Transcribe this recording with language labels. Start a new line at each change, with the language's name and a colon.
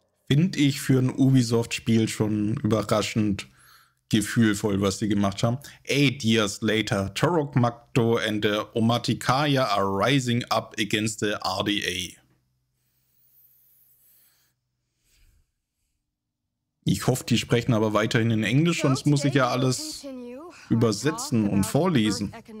German: Finde ich für ein Ubisoft-Spiel schon überraschend gefühlvoll, was sie gemacht haben.
English: 8 years later, Torok Magdo and the Omatikaya are rising up against the RDA.
German: Ich hoffe, die sprechen aber weiterhin in Englisch, sonst muss ich ja alles übersetzen und vorlesen.